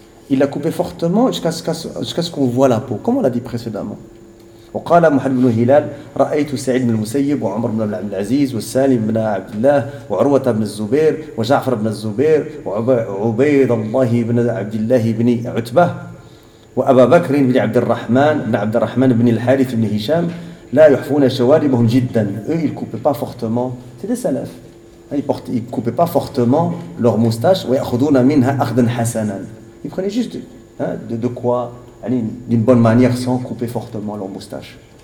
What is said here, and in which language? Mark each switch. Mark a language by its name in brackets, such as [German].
[French] Il l'a coupé fortement jusqu'à ce qu'on voit la peau, comme on l'a dit précédemment. [Arabic] وقال محمد بن هلال رأيت سعيد بن المسيب وعمر بن عبد العزيز والسالم بن عبد الله وعروة بن الزبير وجعفر بن الزبير وعبيد الله بن عبد الله بن عتبة وأبا بكر بن عبد الرحمن بن عبد الرحمن بن الحارث بن هشام لا يحفون شواربهم جدا. [French] Eux, ils coupaient pas fortement. C'est des salafs. Ils coupaient pas fortement leurs moustaches. [Arabic] ويأخذون منها أخذا حسنا. [French] Ils prenaient juste de quoi, d'une bonne manière, sans couper fortement leur moustache.